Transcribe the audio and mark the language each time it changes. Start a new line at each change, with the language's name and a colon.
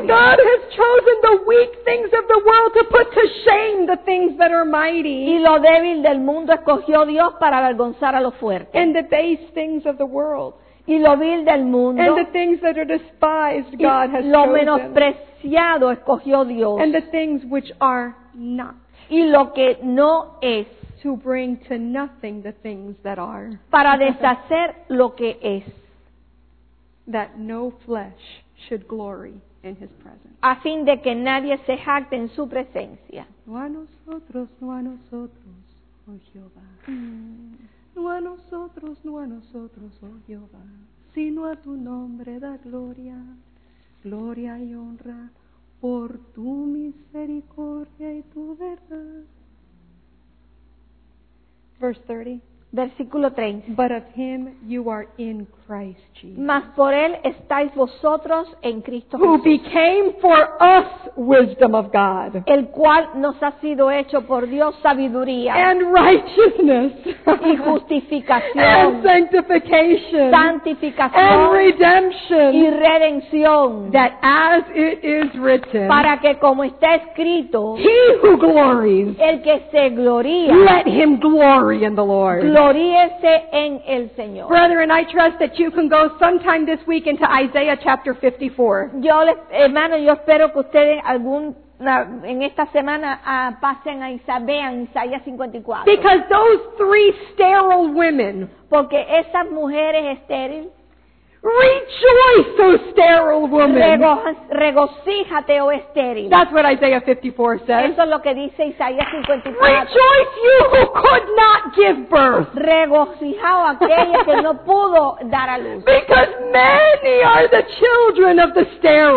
English: And God has chosen the weak things of the world to put to shame the things that are mighty.
Spanish: Y lo débil del mundo escogió Dios para avergonzar a los fuertes.
English: And the base things of the world.
Spanish: Y lo vil del mundo.
English: And the things that are despised, God has chosen.
Spanish: Lo menospreciado escogió Dios.
English: And the things which are not.
Spanish: Y lo que no es.
English: To bring to nothing the things that are.
Spanish: Para deshacer lo que es.
English: That no flesh should glory in his presence.
Spanish: A fin de que nadie se jacte en su presencia. No a nosotros, oh Jehová. No a nosotros, oh Jehová. Sino a tu nombre da gloria y honra. Por tu misericordia y tu verdad.
English: Verse 30.
Spanish: Versículo 30.
English: But of him you are in Christ Jesus.
Spanish: Mas por él estáis vosotros en Cristo
English: Who Who became for us wisdom of God.
Spanish: El cual nos ha sido hecho por Dios sabiduría.
English: And righteousness.
Spanish: Y justificación.
English: And sanctification.
Spanish: Santificación.
English: And redemption.
Spanish: Y redención.
English: That as it is written.
Spanish: Para que como está escrito.
English: He who glories.
Spanish: El que se gloria.
English: Let him glory in the Lord.
Spanish: Gloríese en el Señor.
English: Brethren, I trust that you can go sometime this week into Isaiah chapter 54.
Spanish: Yo espero que ustedes en esta semana pasen a Isaías 54.
English: Because those three sterile women.
Spanish: Porque esas mujeres estériles.
English: Rejoice, O sterile woman.
Spanish: Regocíjate, O estéril.
English: That's what Isaiah 54 says.
Spanish: Eso es lo que dice Isaías 54.
English: Rejoice, you who could not give birth.
Spanish: Regocijao aquella que no pudo dar a luz.
English: Because many are the children of the sterile.